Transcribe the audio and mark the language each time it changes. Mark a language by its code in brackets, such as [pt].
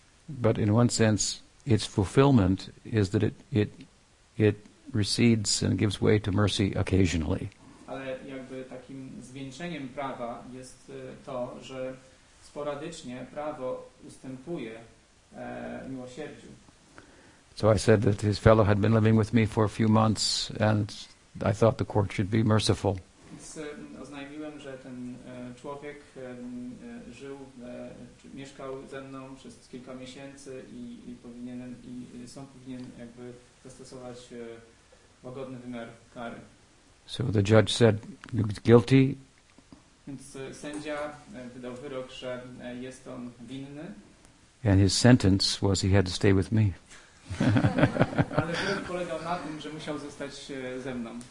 [en] But in one sense, its fulfillment is that it recedes and gives way to mercy occasionally. [pl] Ale jakby takim zwieńczeniem prawa jest to, że sporadycznie prawo ustępuje miłosierdziu. [en] So I said that his fellow had been living with me for a few months, and I thought the court should be merciful. [pl] Więc oznajmiłem, że ten człowiek żył, czy mieszkał ze mną przez kilka miesięcy i powinien jakby zastosować łagodny wymiar kary. [en] So the judge said, you're guilty. [pl] Więc sędzia wydał wyrok, że jest on winny. [en] And his sentence was he had to stay with me. [pl] Ale wyrok polegał na tym, że musiał zostać ze mną.